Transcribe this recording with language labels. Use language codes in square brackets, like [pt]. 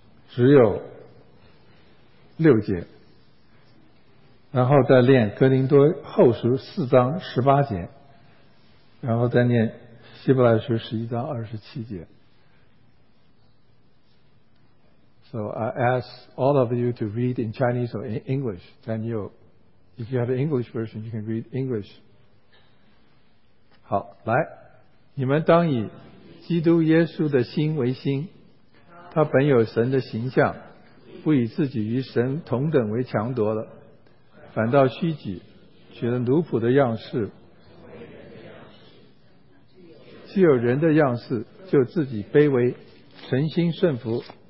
[zh] 只有六节，然后再念哥林多后书四章十八节，然后再念希伯来书十一章二十七节。 [en] So I ask all of you to read in Chinese or in English. Then you, if you have an English version, you can read English. [zh] 好，来，你们当以基督耶稣的心为心，他本有神的形象，不以自己与神同等为强夺了，反倒虚己，取了奴仆的样式，既有人的样式，就自己卑微，存心顺服。